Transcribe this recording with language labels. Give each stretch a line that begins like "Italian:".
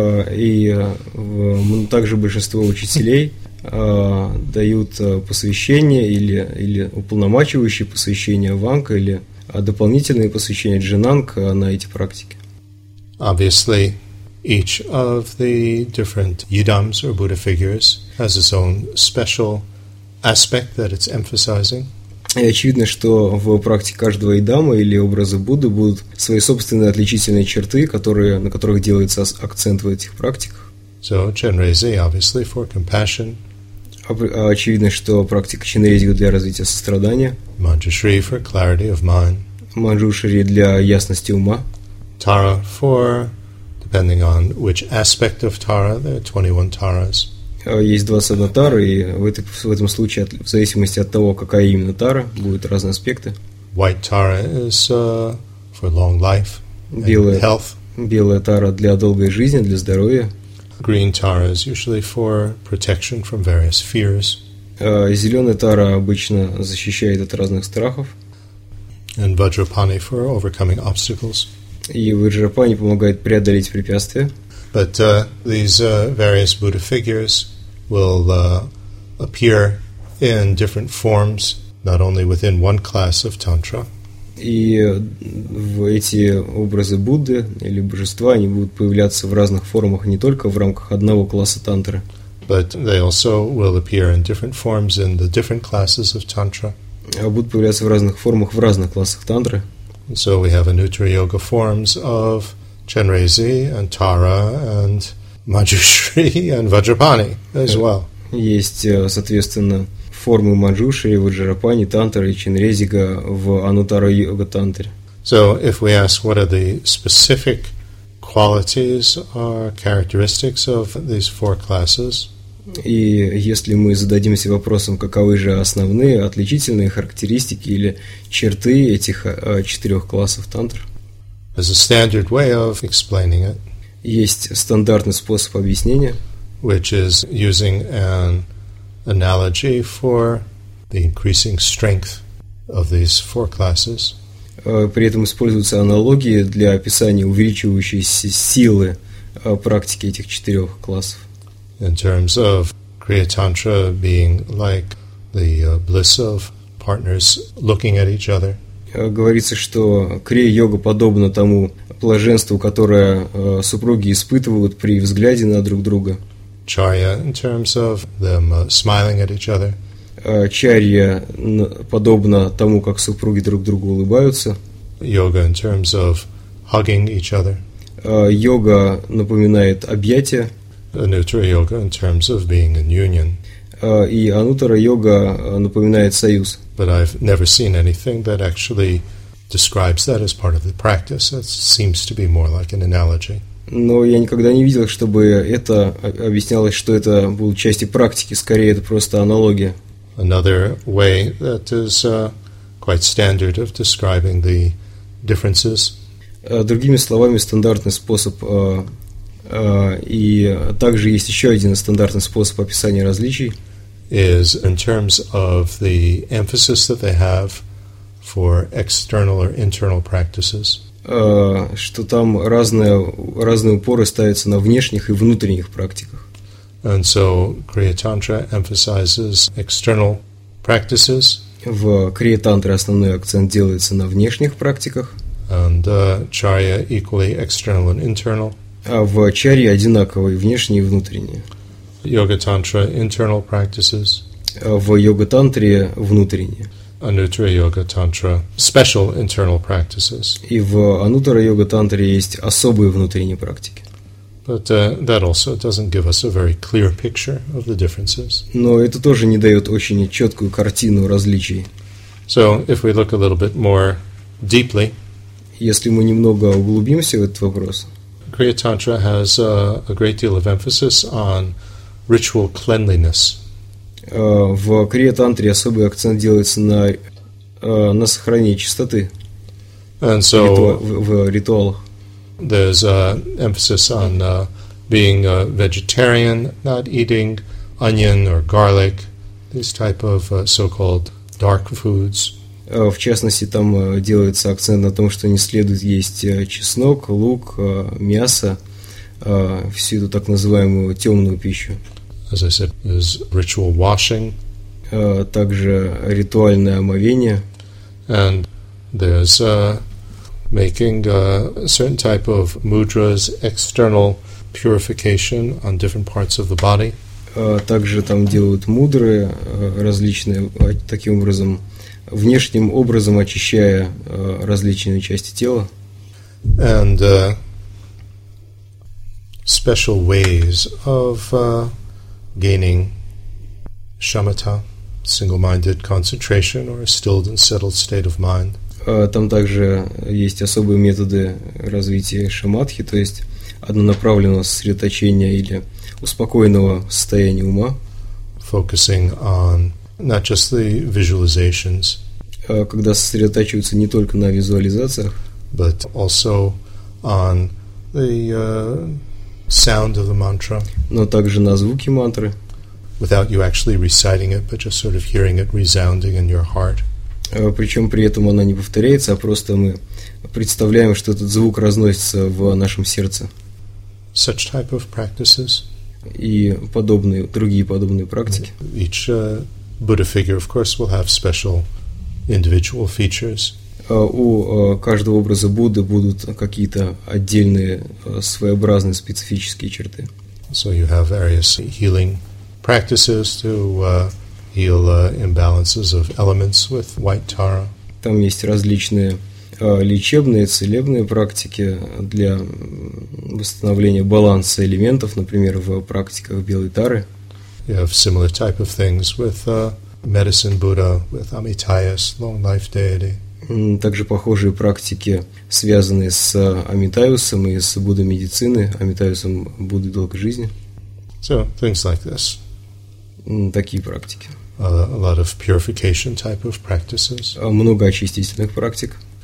Russian: И также большинство учителей дают посвящение или уполномочивающие посвящение ванка или дополнительные посвящения джинанг на эти практики.
English: Obviously, each of the different yidams or Buddha figures has its own special aspect that it's emphasizing.
Russian: И очевидно, что в практике каждого идама или образа Будды будут свои собственные отличительные черты, которые, на которых делается акцент в этих практиках.
English: So, Chenrezig, obviously, for compassion.
Russian: Очевидно, что практика Чинрезиг для развития сострадания.
English: Манджушри for clarity of mind.
Russian: Манджушри для ясности ума.
English: Тара for, depending on which aspect of Тара, there are 21 Taras.
Russian: Есть 21 тара, и в этом случае, в зависимости от того, какая именно тара, будут разные аспекты.
English: White tara is for long life and health.
Russian: Белая тара для долгой жизни, для здоровья.
English: Green tara is usually for protection from various fears.
Russian: Зеленая тара обычно защищает от разных страхов.
English: And Vajrapani for overcoming obstacles.
Russian: И Vajrapani помогает преодолеть препятствия.
English: But these various Buddha figures will appear in different forms, not only within one class of Tantra.
Russian: И эти образы Будды или божества, они будут появляться в разных формах, не только в рамках одного класса Тантры.
English: But they also will appear in different forms in the different classes of Tantra.
Russian: Будут появляться в разных формах в разных классах Тантры.
English: So we have Anuttara Yoga forms of Chenrezig and Tara and Manjushri and Vajrapani as well.
Russian: Есть, соответственно, формы Манджушри, Ваджрапани, Тантры и Чинрезига в Анутара Йога Тантре.
English: So, if we ask what are the specific qualities or characteristics of these four classes?
Russian: И если мы зададимся вопросом, каковы же основные отличительные характеристики или черты этих четырех классов тантр?
English: As a standard way of explaining it.
Russian: Есть стандартный способ объяснения,
English: which is using an analogy for the increasing strength of these four classes.
Russian: При этом используются аналогии для описания увеличивающейся силы практики этих четырех классов.
English: In terms of Kriya Tantra being like the bliss of partners looking at each other.
Russian: Говорится, что крия-йога подобна тому блаженству, которое супруги испытывают при взгляде на друг друга.
English: Чарья, in terms of them smiling at each other.
Russian: Чарья подобна тому, как супруги друг другу улыбаются.
English: Йога, in terms of hugging each other.
Russian: Йога напоминает объятия.
English: Anuttara Yoga, in terms of being in union.
Russian: И Анутара Йога напоминает союз.
English: But I've never seen anything that actually describes that as part of the practice. It seems to be more like an analogy.
Russian: Но я никогда не видел, чтобы это объяснялось, что это было частью практики. Скорее, это просто аналогия.
English: Another way that is quite standard of describing the differences.
Russian: Другими словами, стандартный способ и также есть еще один стандартный способ описания различий.
English: Is in terms of the emphasis that they have for external or internal practices.
Russian: Что там разные упоры ставятся на внешних и внутренних практиках.
English: And so Kriya Tantra emphasizes external practices.
Russian: В Kriya Tantra основной акцент делается на внешних практиках.
English: And Charya equally external and internal.
Russian: А в Чарье одинаковые внешние и внутренние.
English: Yoga Tantra internal practices.
Russian: В йога тантре внутренние.
English: Anuttara Yoga Tantra special internal practices.
Russian: И в Анутара йога тантре есть особые внутренние практики.
English: But that also doesn't give us a very clear picture of the differences.
Russian: Но это тоже не дает очень четкую картину различий.
English: So if we look a little bit more deeply,
Russian: если мы немного углубимся в этот вопрос,
English: Kriya Tantra has a great deal of emphasis on ritual cleanliness.
Russian: В Kriya Tantra особый акцент делается на сохранении чистоты.
English: And so
Russian: в ритуалах.
English: There's an emphasis on being a vegetarian, not eating onion or garlic, these type of so-called dark foods.
Russian: В частности, там делается акцент на том, что не следует есть чеснок, лук, мясо, всю эту так называемую темную пищу.
English: As I said, there's ritual washing.
Russian: Также ритуальное омовение.
English: And there's making a certain type of mudras, external purification on different parts of the body.
Russian: Также там делают мудры различные, таким образом, внешним образом очищая различные части тела.
English: And special ways of gaining shamatha, single-minded concentration, or a stilled and settled state of mind.
Russian: Там также есть особые методы развития шамадхи, то есть однонаправленного сосредоточения или успокоенного состояния ума.
English: Focusing on not just the visualizations,
Russian: когда сосредотачиваются не только на визуализациях,
English: but also on the sound of the mantra,
Russian: но также на звуки мантры.
English: Without you actually reciting it, but just sort of hearing it resounding in your heart.
Russian: Причем при этом она не повторяется, а просто мы представляем, что этот звук разносится в нашем сердце.
English: Such type of practices.
Russian: И подобные, другие подобные практики.
English: Each Buddha figure, of course, will have special individual features.
Russian: У каждого образа Будды будут какие-то отдельные, своеобразные, специфические черты.
English: So you have various healing practices to heal imbalances of elements with white tara.
Russian: Там есть различные лечебные, целебные практики для восстановления баланса элементов, например, в практиках белой тары.
English: You have similar type of things with medicine Buddha, with Amitayas, long life deity.
Russian: Также похожие практики, связанные с Амитаюсом и с Буддой медицины, Амитаюсом Будды долгой жизни.
English: So, things like this.
Russian: Такие практики.
English: A lot of purification type of practices.
Russian: Много очистительных практик.